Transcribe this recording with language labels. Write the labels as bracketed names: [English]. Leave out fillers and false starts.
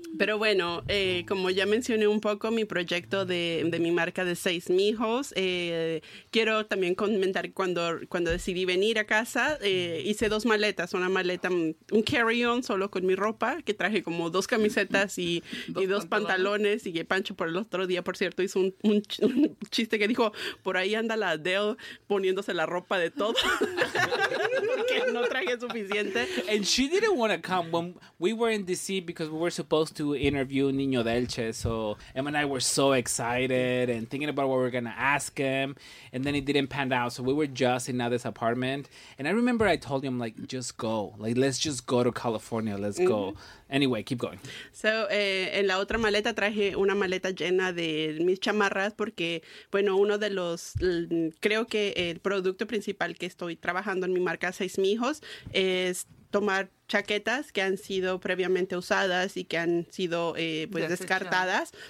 [Spanish] Pero bueno, como ya mencioné un poco, mi proyecto de mi marca de Seis Mijos, quiero también comentar cuando decidí venir a casa, hice 2 maletas, una maleta, un carry-on solo con mi ropa, que traje como 2 camisetas y dos pantalones, y que Pancho por el otro día, por cierto, hizo un chiste que dijo, por ahí anda la Adele poniéndose la ropa de todo, porque no traje suficiente. [English] And she didn't want to come when we were in DC, because we were supposed to interview Niño Delche, so Emma and I were so excited and thinking about what we were gonna ask him, and then it didn't pan out, so we were just in Ade's apartment, and I remember I told him, like, just go, like, let's just go to California, let's go. Anyway, keep going. [Spanish] So, en la otra maleta traje una maleta llena de mis chamarras porque, bueno, uno de los, creo que el producto principal que estoy trabajando en mi marca Seis Mijos es tomar chaquetas que han sido previamente usadas y que han sido pues descartadas.